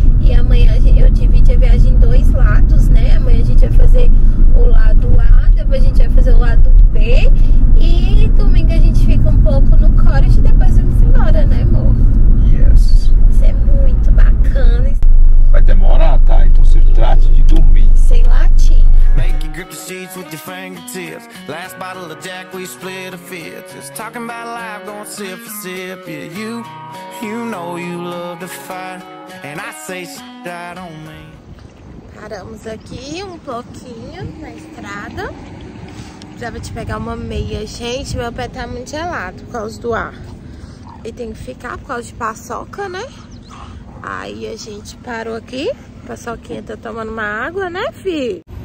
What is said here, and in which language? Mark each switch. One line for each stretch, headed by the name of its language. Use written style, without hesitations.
Portuguese: E amanhã eu divido a viagem em dois lados, né? Amanhã a gente vai fazer o lado A, depois a gente vai fazer o lado B. E domingo a gente fica um pouco no Cottage e depois vamos embora, né, amor?
English: Yes.
Portuguese: Isso é muito bacana. Vai demorar, tá? Então se trate de dormir. Sei lá, Tim.
English: Make you grip the sheets with your fingertips. Last bottle of Jack, we split a fifth. Just talking about life, going sip for sip. Yeah, you know you love to fight. And I say shit I don't mean.
Portuguese: Paramos aqui um pouquinho na estrada. Precisava te pegar uma meia, gente. Meu pé tá muito gelado por causa do ar. E tem que ficar por causa de paçoca, né? Aí a gente parou aqui. Paçoquinha tá tomando uma água, né, filho?